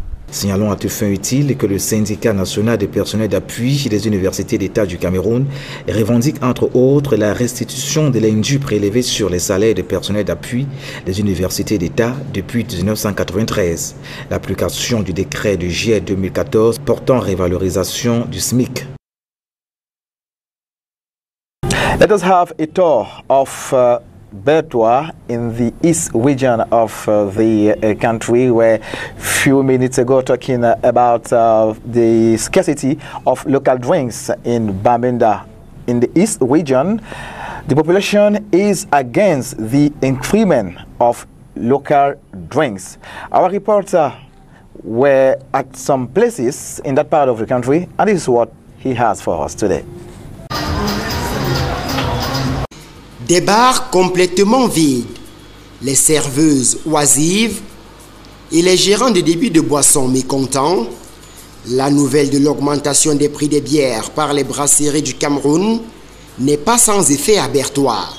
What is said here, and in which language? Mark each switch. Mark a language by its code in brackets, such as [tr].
[fr] Signalons à toute fin utile que le syndicat national des personnels d'appui des universités d'État du Cameroun revendique entre autres la restitution de l'indus prélevé sur les salaires des personnels d'appui des universités d'État depuis 1993, l'application du décret du JET 2014 portant révalorisation du SMIC. [en] Let us have a tour of Bertoua in the east region of the country, where few minutes ago talking about the scarcity of local drinks in Bamenda. In the east region, the population is against the increment of local drinks. Our reporter were at some places in that part of the country, and this is what he has for us today. [fr] Des bars complètement vides, les serveuses oisives et les gérants de débits de boissons mécontents, la nouvelle de l'augmentation des prix des bières par les brasseries du Cameroun n'est pas sans effet à Bertoua.